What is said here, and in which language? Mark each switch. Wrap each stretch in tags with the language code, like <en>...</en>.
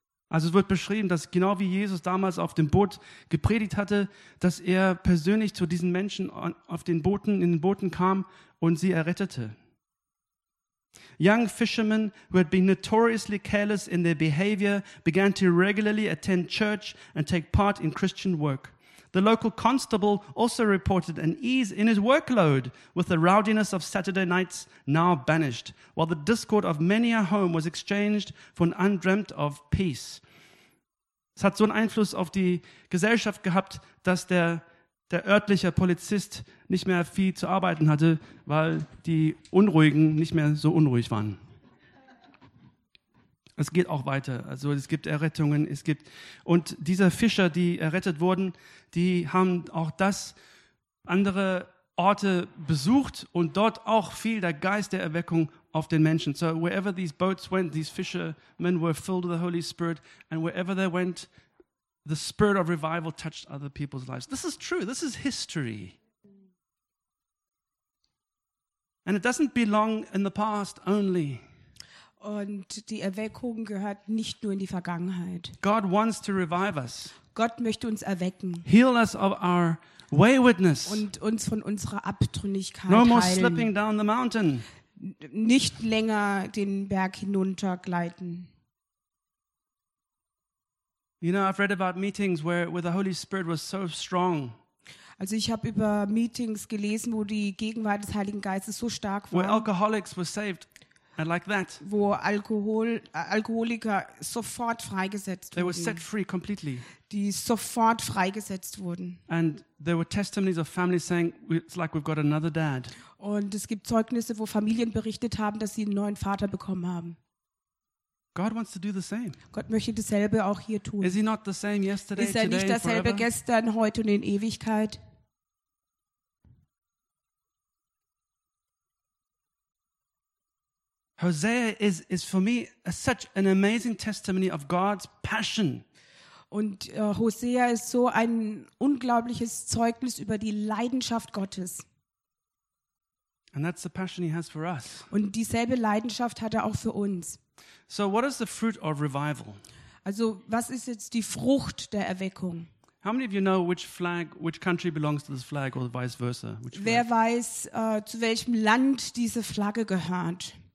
<de>Also es wird beschrieben, dass genau wie Jesus damals auf dem Boot gepredigt hatte, dass er persönlich zu diesen Menschen auf den Booten, in den Booten kam und sie errettete.</de> <en>Young fishermen who had been notoriously careless in their behavior began to regularly attend church and take part in Christian work. The local constable also reported an ease in his workload, with the rowdiness of Saturday nights now banished, while the discord of many a home was exchanged for an undreamt of peace.</en> <de>Es hat so einen Einfluss auf die Gesellschaft gehabt, dass der örtliche Polizist nicht mehr viel zu arbeiten hatte, weil die Unruhigen nicht mehr so unruhig waren. Es geht auch weiter. Also es gibt Errettungen, es gibt, und diese Fischer, die errettet wurden, die haben auch das andere Orte besucht und dort auch viel der Geist der Erweckung auf den Menschen.</de> <en>So wherever these boats went, these fishermen were filled with the Holy Spirit, and wherever they went, the spirit of revival touched other people's lives. This is true. This is history. And it doesn't belong in the past only.</en> <de>Und die Erweckung gehört nicht nur in die Vergangenheit.</de> <en>God wants to revive us.</en> <de>Gott möchte uns erwecken.</de> <en>Heal us of our waywardness.</en> <de>Und uns von unserer Abtrünnigkeit heilen.</de> <en>No more slipping down the mountain.</en> <de>Nicht länger den Berg hinunter gleiten.</de> <en>You know, I've read about meetings where the Holy Spirit was so strong.</en> <de>Also ich habe über Meetings gelesen, wo die Gegenwart des Heiligen Geistes so stark war.</de> <en>Where alcoholics were saved, and like that.</en> <de>Wo Alkoholiker sofort freigesetzt</de> <en>they</en> <de>wurden.</de> <en>They were set free completely.</en> <de>Die sofort freigesetzt wurden.</de> <en>And there were testimonies of families saying it's like we've got another dad.</en> <de>Und es gibt Zeugnisse, wo Familien berichtet haben, dass sie einen neuen Vater bekommen haben.</de> <en>God wants to do the same.</en> <de>Gott möchte dasselbe auch hier tun.</de> <en>Is he not the same yesterday,</en> <de>ist er nicht</de> <en>today,</en> <de>dasselbe</de> <en>forever?</en> <de>Gestern, heute und in Ewigkeit?</de> <en>Hosea is for me such an amazing testimony of God's passion.</en> <de>Und Hosea ist so ein unglaubliches Zeugnis über die Leidenschaft Gottes.</de> <en>And that's the passion he has for us.</en> <de>Und dieselbe Leidenschaft hat er auch für uns.</de> <en>So what is the fruit of revival?</en> <de>Also, was ist jetzt die Frucht der Erweckung?</de> <en>How many of you know which flag, which country belongs to this flag or vice versa? Which flag?</en> <de>Wer weiß, zu welchem Land diese Flagge gehört?</de>